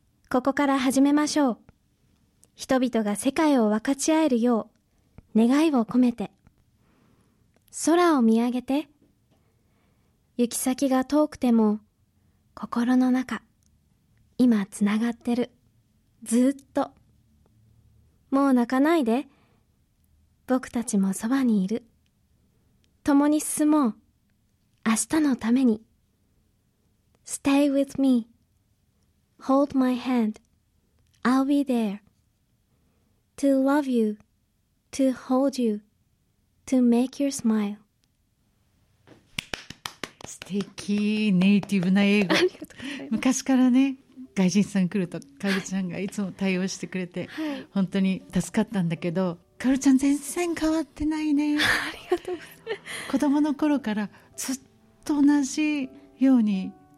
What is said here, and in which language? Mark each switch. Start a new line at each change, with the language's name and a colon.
Japanese: ここから始めましょう。人々が世界を分かち合えるよう願いを込めて、空を見上げて、行き先が遠くても心の中今つながってる、ずっと、もう泣かないで、僕たちもそばにいる、共に進もう、明日のために。
English: Stay with me, Hold my hand, I'll be there To love youTo hold you, to make you smile.
Japanese: 素敵、ネイティブな英語。昔からね、外人さん来るとカルちゃんがいつも対応してくれて、はい、本当に助かったんだけど、カルちゃん全然変わってないね。ありがとうございます。子供の頃からずっと同じように